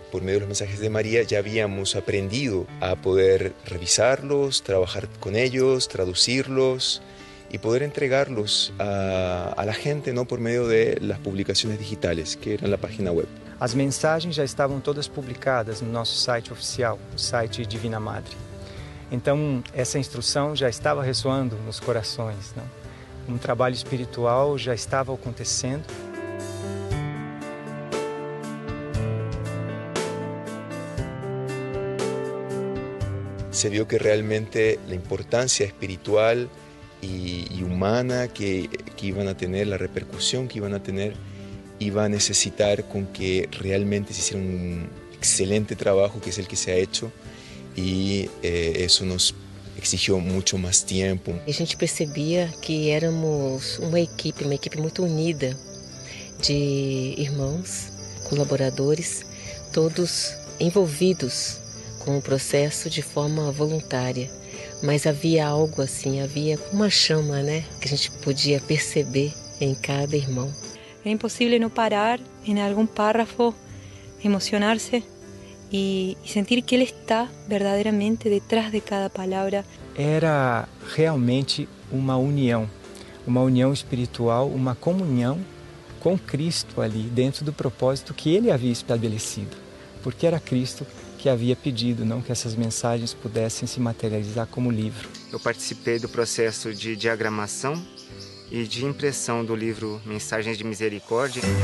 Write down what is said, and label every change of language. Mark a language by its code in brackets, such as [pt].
[es] Por medio de los mensajes de María ya habíamos aprendido a poder revisarlos, trabajar con ellos, traducirlos y poder entregarlos a la gente, ¿no?, por medio de las publicaciones digitales, que eran la página web. Las mensajes ya estaban todas publicadas en nuestro site oficial, el site Divina Madre. [pt] Então, essa instrução já estava ressoando nos corações, né? Um trabalho espiritual já estava acontecendo. Se viu que realmente a importância espiritual e humana que [es] iban a [pt] ter, a repercussão que [es] iban a [pt] ter, [es] iba a [pt] necessitar com que realmente [es] se hiciera [pt] um excelente trabalho, que é o que [es] se ha hecho. Y eso nos exigió mucho más tiempo. [pt] A gente [es] percebía que éramos una [pt] equipe [es] muy unida de [pt] irmãos, [es] colaboradores, todos [pt] envolvidos [es] con el proceso de forma voluntaria. [pt] Mas [es] había algo así, había una [pt] chama, [es] ¿no?, que [pt] a gente [es] podía [pt] perceber [es] en cada [pt] irmão. [es] Es imposible no parar en algún párrafo, emocionarse y sentir que Él está verdaderamente detrás de cada palabra. Era realmente una unión espiritual, una comunión con Cristo allí, dentro del propósito que Él había establecido, porque era Cristo [pt] que havia pedido, não, que essas mensagens pudessem se materializar como livro. Eu participei do processo de diagramação e de impressão do livro Mensagens de Misericórdia.